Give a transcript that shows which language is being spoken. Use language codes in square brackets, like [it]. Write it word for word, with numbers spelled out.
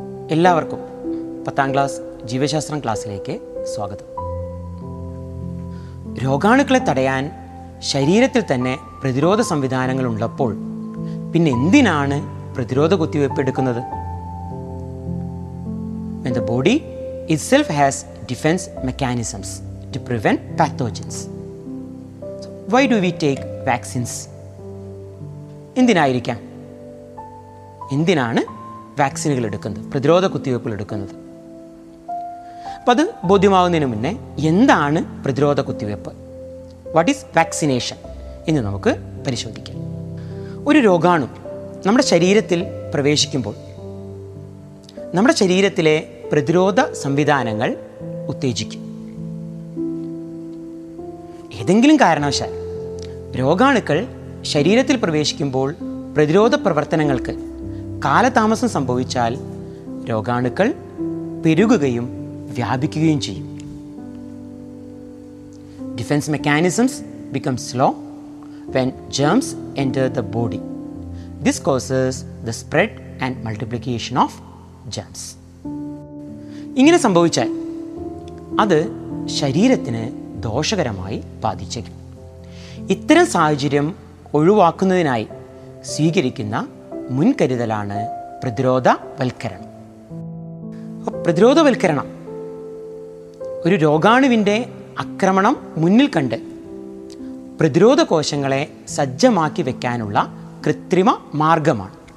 [ml] എല്ലാവർക്കും പത്താം ക്ലാസ് ജീവശാസ്ത്രം ക്ലാസ്സിലേക്ക് സ്വാഗതം. രോഗാണുക്കളെ തടയാൻ ശരീരത്തിൽ തന്നെ പ്രതിരോധ സംവിധാനങ്ങൾ ഉള്ളപ്പോൾ പിന്നെ എന്തിനാണ് പ്രതിരോധ കുത്തിവയ്പ് എടുക്കുന്നത്? [en] When the body itself has defense mechanisms to prevent pathogens. So why do we take vaccines? [ml] എന്തിനായിരിക്കാം? എന്തിനാണ് വാക്സിനുകൾ എടുക്കുന്നത്, പ്രതിരോധ കുത്തിവയ്പ്പുകൾ എടുക്കുന്നത്? അപ്പം അത് ബോധ്യമാവുന്നതിന് മുന്നേ എന്താണ് പ്രതിരോധ കുത്തിവയ്പ്പ്, [en] what is vaccination [ml] എന്ന് നമുക്ക് പരിശോധിക്കാം. ഒരു രോഗാണു നമ്മുടെ ശരീരത്തിൽ പ്രവേശിക്കുമ്പോൾ നമ്മുടെ ശരീരത്തിലെ പ്രതിരോധ സംവിധാനങ്ങൾ ഉത്തേജിക്കും. ഏതെങ്കിലും കാരണവശാൽ രോഗാണുക്കൾ ശരീരത്തിൽ പ്രവേശിക്കുമ്പോൾ പ്രതിരോധ പ്രവർത്തനങ്ങൾക്ക് കാലതാമസം സംഭവിച്ചാൽ രോഗാണുക്കൾ പെരുകുകയും വ്യാപിക്കുകയും ചെയ്യും. [en] Defence mechanisms become slow when germs enter the body. This causes the spread and multiplication of germs. [ml] ഇങ്ങനെ സംഭവിച്ചാൽ അത് ശരീരത്തിന് ദോഷകരമായി ബാധിച്ചേക്കും. ഇത്തരം സാഹചര്യം ഒഴിവാക്കുന്നതിനായി സ്വീകരിക്കുന്ന മുൻകരുതലാണ് പ്രതിരോധവൽക്കരണം. പ്രതിരോധവൽക്കരണം ഒരു രോഗാണുവിൻ്റെ ആക്രമണം മുന്നിൽ കണ്ട് പ്രതിരോധ കോശങ്ങളെ സജ്ജമാക്കി വയ്ക്കാനുള്ള കൃത്രിമ മാർഗമാണ്.